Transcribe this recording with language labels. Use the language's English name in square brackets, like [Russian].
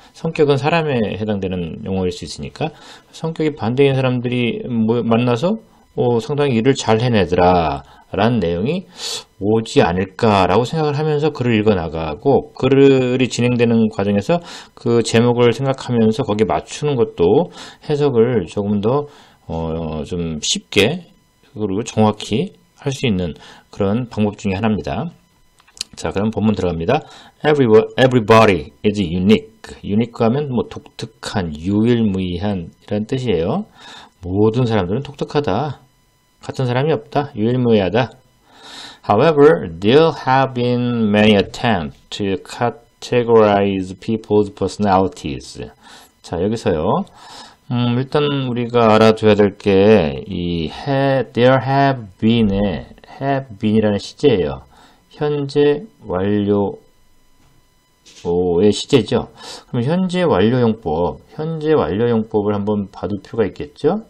[Korean] 성격은 사람에 해당되는 용어일 수 있으니까 성격이 반대인 사람들이 만나서 상당히 일을 잘 해내더라라는 내용이 오지 않을까라고 생각을 하면서 글을 읽어나가고 글이 진행되는 과정에서 그 제목을 생각하면서 거기에 맞추는 것도 해석을 조금 더좀 쉽게 그리고 정확히 할수 있는 그런 방법 중에 하나입니다. 자, 그럼 본문 들어갑니다. [English] Everybody is unique. [Korean] unique 하면 뭐 독특한, 유일무이한 이런 뜻이에요. 모든 사람들은 독특하다. 같은 사람이 없다. 유일무이하다. [English] However, there have been many attempts to categorize people's personalities. [Korean] 자, 여기서요. 일단 우리가 알아둬야 될게이 [English] there have been [Korean] 의 have been이라는 시제예요. 현재 완료의 시제죠. 그럼 현재 완료 용법, 현재 완료 용법을 한번 봐둘 필요가 있겠죠?